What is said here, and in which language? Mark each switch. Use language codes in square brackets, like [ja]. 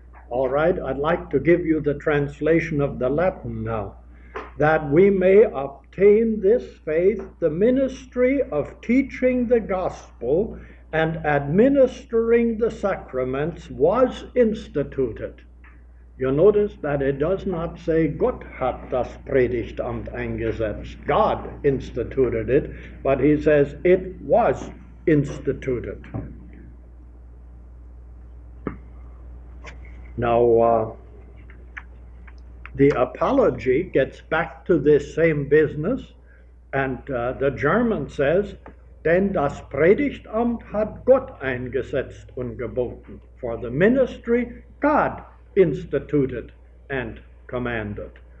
[en] All right, I'd like to give you the translation of the Latin now. That we may obtain this faith, the ministry of teaching the gospel and administering the sacraments was instituted. You notice that it does not say [de] Gott hat das Predigtamt eingesetzt. [en] God instituted it, but he says it was instituted. Now, the apology gets back to this same business, and the German says, [de] denn das Predigtamt hat Gott eingesetzt und geboten, [en] for the ministry God instituted and commanded.